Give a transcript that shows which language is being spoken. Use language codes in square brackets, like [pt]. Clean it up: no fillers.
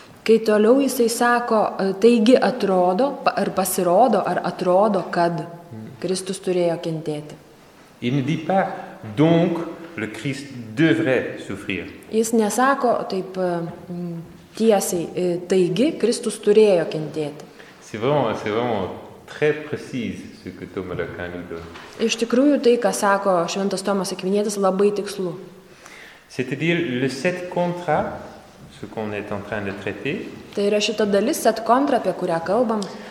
[lt] Kai toliau jisai sako, taigi atrodo ar pasirodo ar atrodo, kad Kristus turėjo kentėti. [fr] Il ne dit pas donc le Christ devrait souffrir. [lt] Jis nesako taip tiesiai. Taigi, Kristus turėjo kentėti. [fr] C'est vraiment très précis ce que Thomas d'Aquin nous donne. [lt] Iš tikrųjų, tai, ką sako šventas Tomas Akvinietis, labai tikslu. [fr] C'est-à-dire le sept contra, ce qu'on est en train de traiter. [lt] Tai yra šita dalis, sept contra, apie kurią kalbam.